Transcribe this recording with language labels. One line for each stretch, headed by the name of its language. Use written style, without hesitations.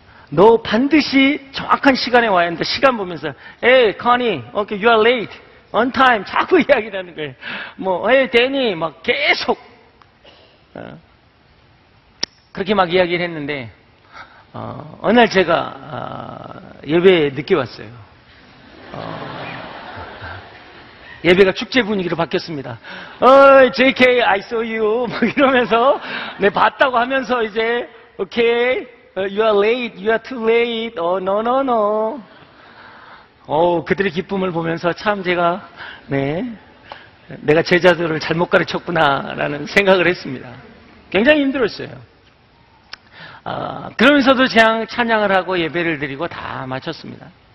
Korean: 너 반드시 정확한 시간에 와야 한다. 시간 보면서
English: 에이 커니, okay, you are late, on time.
Korean: 자꾸 이야기하는 거예요. 뭐 에이 데니, 막 계속 그렇게 막 이야기를 했는데 어느 날 제가 예배 늦게 왔어요. 예배가 축제 분위기로 바뀌었습니다.
English: JK, I saw you.
Korean: 막 이러면서, 네, 봤다고 하면서 이제,
English: okay, you are late, you are too late. Oh, no, no, no.
Korean: 그들의 기쁨을 보면서 참 제가, 네, 내가 제자들을 잘못 가르쳤구나라는 생각을 했습니다. 굉장히 힘들었어요. 그러면서도 그냥 찬양을 하고 예배를 드리고 다 마쳤습니다.